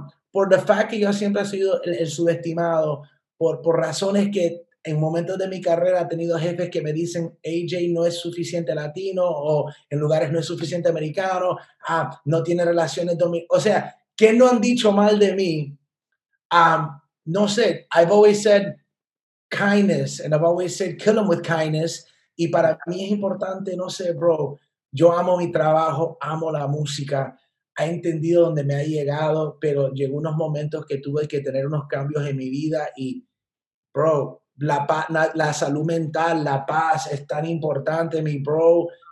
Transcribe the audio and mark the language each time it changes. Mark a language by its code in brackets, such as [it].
[es] Por el fact que yo siempre he sido el subestimado, por razones que en momentos de mi carrera he tenido jefes que me dicen, AJ no es suficiente latino, o en lugares no es suficiente americano, no tiene relaciones dominicanas. O sea, ¿qué no han dicho mal de mí? No sé, [en] I've always said kindness, and I've always said kill them with kindness. [es] Y para mí es importante, no sé, bro, yo amo mi trabajo, amo la música. He entendido dónde me ha llegado, pero llegó unos momentos que tuve que tener unos cambios en mi vida y, bro, la salud mental, la paz es tan importante, mi bro.